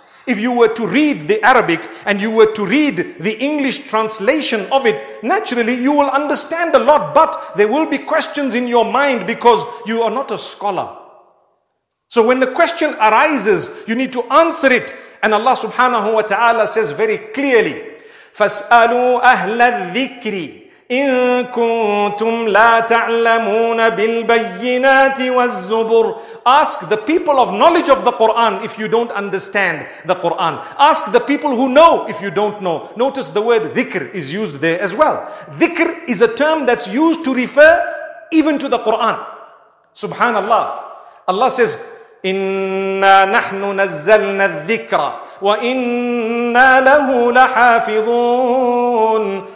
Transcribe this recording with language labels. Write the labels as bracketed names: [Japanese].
[English] If you were to read the Arabic and you were to read the English translation of it, naturally you will understand a lot, but there will be questions in your mind because you are not a scholar. So when the question arises, you need to answer it. And Allah subhanahu wa ta'ala says [Arabic] very clearly, فَاسْأَلُوا أَهْلَ الذِّكْرِ إِن كُنتُمْ لَا تَعْلَمُونَ بِالْبَيِّنَاتِ وَالزُّبُرِ. [English] Ask the people of knowledge of the Quran if you don't understand the Quran. Ask the people who know if you don't know. Notice the word dhikr is used there as well. Dhikr is a term that's used to refer even to the Quran. [Arabic] Subhanallah. [English] Allah says, [Arabic] "Inna nahnu nazzalna al-dhikra, wa inna lahu lahafidhun."